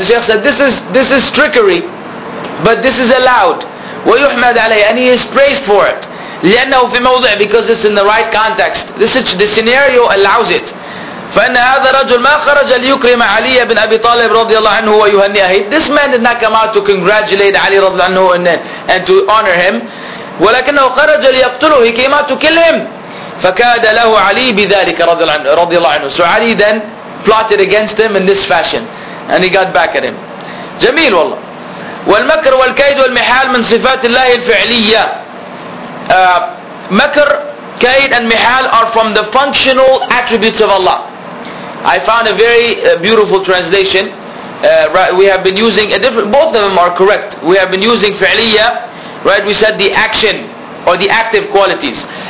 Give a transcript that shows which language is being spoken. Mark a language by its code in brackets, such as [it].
[en] The Sheikh said, this is trickery, but this is allowed. [ar] ويحمد عليه, [en] and he is praised for it. [ar] لأنه في موضع, [en] because it's in the right context. The scenario allows it. [ar] فإن هذا رجل ما خرج ليكرم علي بن أبي طالب رضي الله عنه ويهنئه. [en] This man did not come out to congratulate Ali رضي الله عنه and to honor him. [ar] ولكنه خرج ليقتله. [en] He came out to kill him. [ar] فكاد له علي بذلك رضي الله عنه. [en] So Ali then plotted against him in this fashion. And he got back at him. [ar] جميل والله. والمكر والكيد والمحال من صفات الله الفعلية. [en] makr, kaid, and mihal are from the functional attributes of Allah. I found a very beautiful translation. Right, we have been using a different, both of them are correct. We have been using fi'liya, right? We said the action or the active qualities.